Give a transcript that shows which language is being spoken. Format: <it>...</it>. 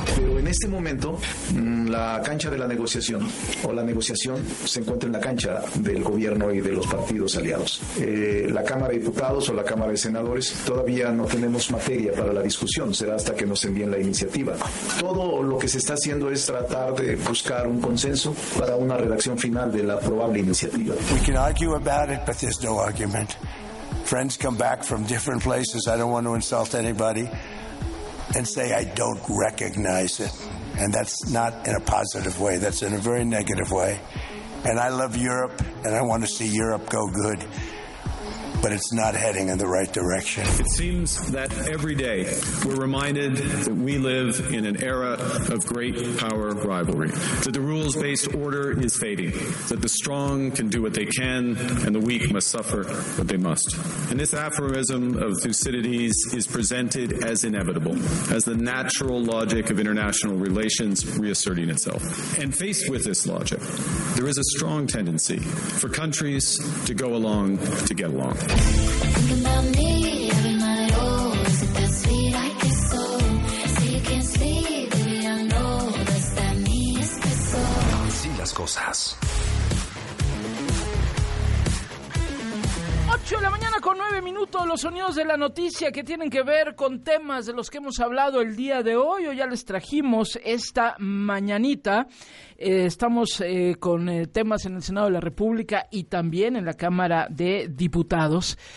<es>Pero en este momento, la cancha de la negociación o la negociación se encuentra en la cancha del gobierno y de los partidos aliados. La Cámara de Diputados o la Cámara de Senadores todavía no tenemos materia para la discusión, será hasta que nos envíen la iniciativa. Todo lo que se está haciendo es tratar de buscar un consenso para una redacción final de la probable iniciativa.</es> <en>We can argue about it, but there's no argument. Friends come back from different places, I don't want to insult anybody, and say I don't recognize it. And that's not in a positive way, that's in a very negative way. And I love Europe, and I want to see Europe go good. But it's not heading in the right direction. It seems that every day we're reminded that we live in an era of great power rivalry, that the rules-based order is fading, that the strong can do what they can and the weak must suffer what they must. And this aphorism of Thucydides is presented as inevitable, as the natural logic of international relations reasserting itself. And faced with this logic, there is a strong tendency for countries to go along to get along. Think about me every night, oh, is it that sweet I kiss so? Say you can't sleep, baby, I know, does that mean it's good so?</en> <es>Así las cosas. 8 de la mañana con 9 minutos, los sonidos de la noticia que tienen que ver con temas de los que hemos hablado el día de hoy. Hoy ya les trajimos esta mañanita. Estamos con temas en el Senado de la República y también en la Cámara de Diputados.</es>